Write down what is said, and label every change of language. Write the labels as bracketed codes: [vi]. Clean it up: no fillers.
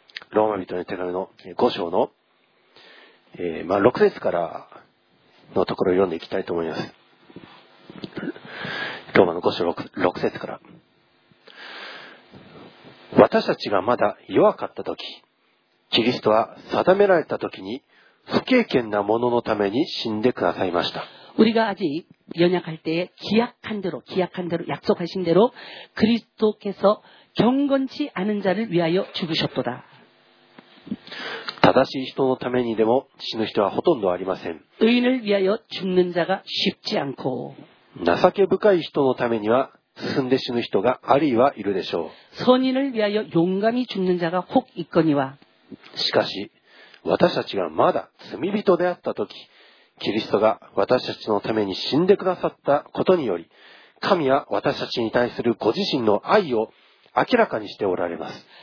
[ja] ローマ人の手紙の5章の、6節からのところを読んでいきたいと思います。ローマの5章 6節から、私たちがまだ弱かった時、キリストは定められた時に不敬虔な者のために死んでくださいました。 [ko] 우리가아직연약할때에기약한 대로약속하신대로그리스도께서경건치않은자를위하여죽으셨도다。 [ja] 正しい人のためにでも死ぬ人はほとんどありません。 [ko] 의인을위하여죽는자가쉽지않고。 [ja] 情け深い人のためには進んで死ぬ人がありはいるでしょう。 [ko] 선인을위하여용감히죽는자가혹있거니와。 [ja] しかし私たちがまだ罪人であった時、キリストが私たちのために死んでくださったことにより、神は私たちに対するご自身の愛を明らかにしておられます。